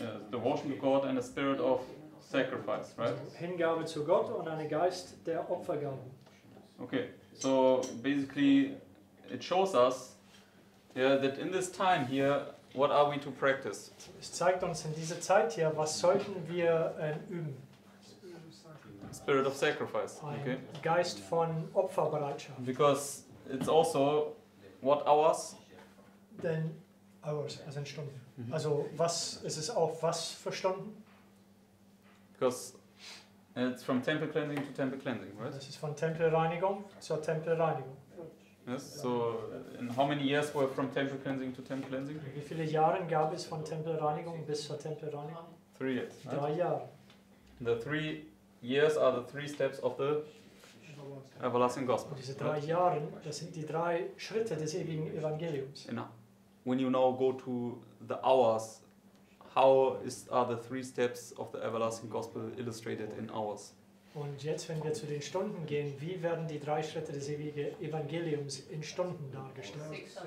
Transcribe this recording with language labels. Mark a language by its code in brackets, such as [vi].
[en] Devotion to God and a spirit of sacrifice, right? [de] Also Hingabe zu Gott und ein Geist der Opfergaben. [en] Okay. So basically, it shows us that in this time here, what are we to practice? [de] Es zeigt uns in dieser Zeit hier, was sollten wir üben? [en] Spirit of sacrifice. Okay. [de] Geist von Opferbereitschaft. [en] Because it's also what hours? Then hours, [de] also in Stunden. [en] Mm-hmm. [de] Also was ist es auch was für Stunden? [en] Because it's from temple cleansing to temple cleansing, right? [de] Das ist von Tempelreinigung zur Tempelreinigung. [en] Yes, so in how many years were from temple cleansing to temple cleansing? [de] Wie viele Jahre gab es von Tempelreinigung bis zur Tempelreinigung? [en] 3 years. Right? [de] 3 Jahre. [en] The 3 years are the 3 steps of the everlasting gospel. [de] Und diese 3 Jahre, das sind die 3 Schritte des ewigen Evangeliums. Genau. [en] When you now go to the hours, how is are the 3 steps of the everlasting gospel illustrated in hours? [de] Und jetzt, wenn wir zu den Stunden gehen, wie werden die 3 Schritte des ewigen Evangeliums in Stunden dargestellt?